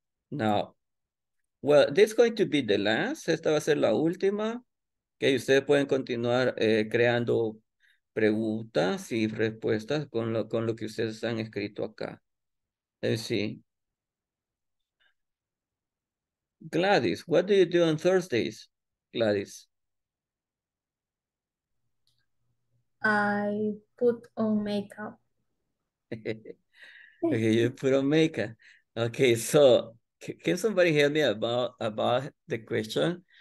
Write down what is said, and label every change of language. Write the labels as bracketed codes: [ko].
[en] Now, well, this is going to be the last. [es] Esta va a ser la última. Que ustedes pueden continuar creando preguntas y respuestas con lo que ustedes han escrito acá. Sí. [en] Gladys, what do you do on Thursdays, Gladys? I put on makeup. Okay, you put on makeup. Okay, so can somebody help me about the question?